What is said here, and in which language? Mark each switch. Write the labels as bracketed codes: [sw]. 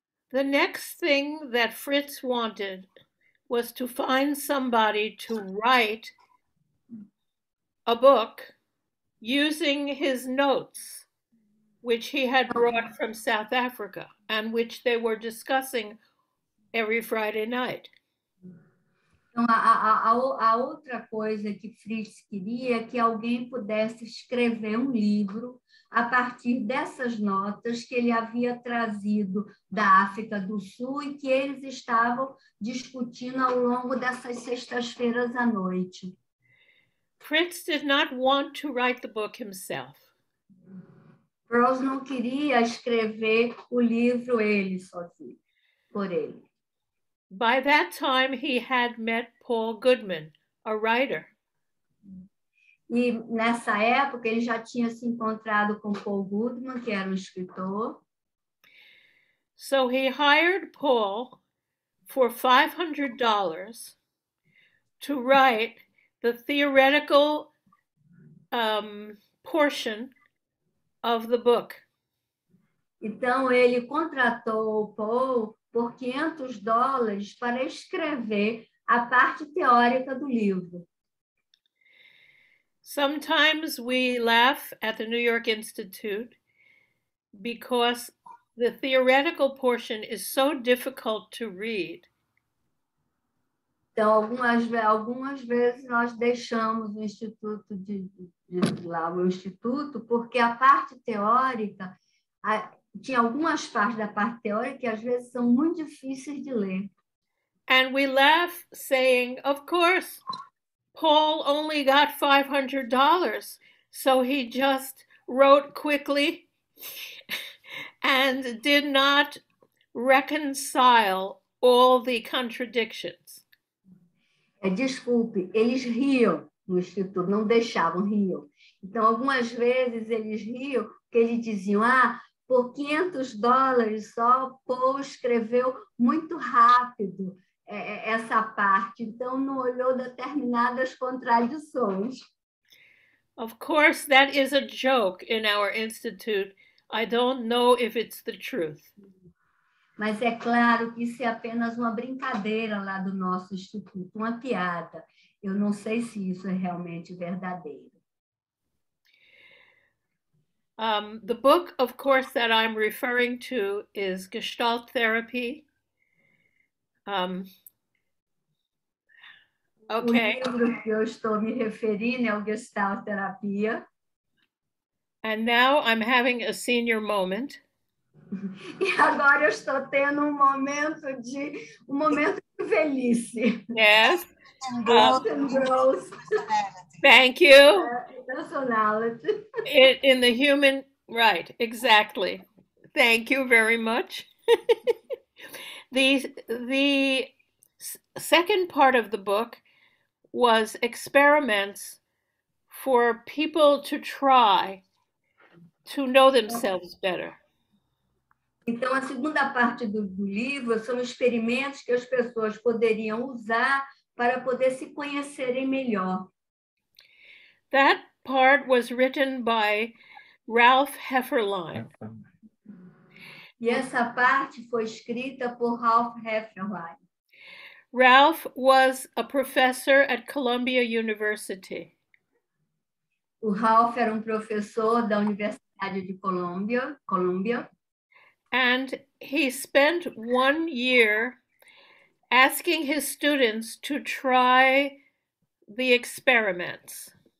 [en] The next thing that Fritz wanted was to find somebody to write a book using his notes, which he had brought from South Africa. and which they were discussing every Friday night. [pt] Então, a outra coisa que Fritz queria é que alguém pudesse escrever um livro a partir dessas notas que ele havia trazido da África do Sul e que eles estavam discutindo ao longo dessas sextas-feiras à noite. [en] Fritz did not want to write the book himself. [pt] Rose não queria escrever o livro ele sozinho, por ele. [en] By that time, he had met Paul Goodman, a writer. [pt] E nessa época, ele já tinha se encontrado com Paul Goodman, que era um escritor. [en] So he hired Paul for $500 to write the theoretical portion of the book. [pt] Então, ele contratou o Paul por $500 para escrever a parte teórica do livro. [en] Sometimes we laugh at the New York Institute because the theoretical portion is so difficult to read. [pt] Então, algumas vezes nós deixamos o Instituto o Instituto, porque a parte teórica, tinha algumas partes da parte teórica que às vezes são muito difíceis de ler. [en] And we laugh saying, of course, Paul only got $500, so he just wrote quickly and did not reconcile all the contradictions. [pt] Desculpe, eles riam no Instituto, não deixavam rir. Então, algumas vezes eles riam porque eles diziam, ah, por $500 só, Paul escreveu muito rápido essa parte. Então, não olhou determinadas contradições. [en] Of course, that is a joke in our institute. I don't know if it's the truth. [pt] Mas é claro que isso é apenas uma brincadeira lá do nosso instituto, uma piada. Eu não sei se isso é realmente verdadeiro. [en] The book, of course, that I'm referring to is Gestalt Therapy. Okay. [pt] O livro que eu estou me referindo é o Gestalt Terapia. [en] And now I'm having a senior moment. [pt] E agora eu estou tendo um momento de velhice. [en] Yes. And girls. Thank you. Personality. In the human, right, exactly. Thank you very much. The second part of the book was experiments for people to try to know themselves better. [pt] Então, a segunda parte do livro são experimentos que as pessoas poderiam usar para poder se conhecerem melhor. [en] That part was written by Ralph Hefferlein. [pt] E essa parte foi escrita por Ralph Hefferlein. [en] Ralph was a professor at Columbia University. [pt] O Ralph era professor da Universidade de Columbia. [en] And he spent 1 year asking his students to try the experiments.